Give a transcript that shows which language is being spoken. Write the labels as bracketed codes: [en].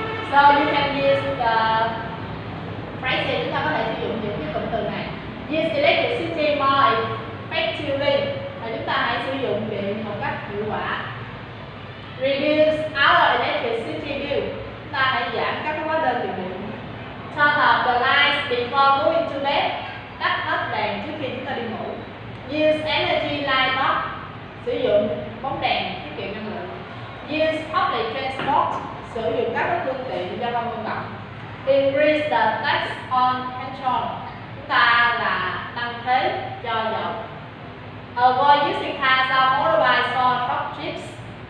[en] So you can use the phrase, [vi] chúng ta có thể sử dụng những cái cụm từ này. [en] Use electricity more effectively. [vi] Và chúng ta hãy sử dụng điện một cách hiệu quả. [en] Reduce our electricity bill. [vi] Chúng ta hãy giảm các hóa đơn tiền điện. [en] Turn off the lights before going to bed. [vi] Tắt hết đèn trước khi chúng ta đi ngủ. [en] Use energy light bulb. [vi] Sử dụng bóng đèn tiết kiệm năng lượng. [en] Use public transport. [vi] Sử dụng các phương tiện giao thông công cộng. [en] Increase the tax on petrol. [vi] Chúng ta là tăng thuế cho dầu. [en] Avoid using cars or motorbikes or short trips.